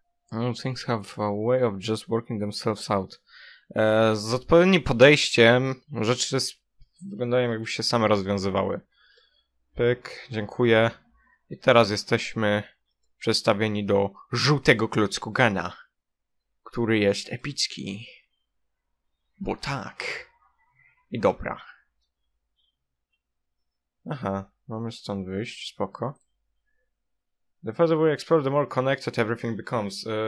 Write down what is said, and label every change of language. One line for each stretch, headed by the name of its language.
English: All things have a way of just working themselves out.
Polish: Z odpowiednim podejściem rzeczy wyglądają, jakby się same rozwiązywały. Pyk, dziękuję. I teraz jesteśmy przestawieni do żółtego klocku Gana, który jest epicki. Bo tak. I dobra. Aha, mamy stąd wyjść, spoko.
English: The further we explore, the more connected everything becomes.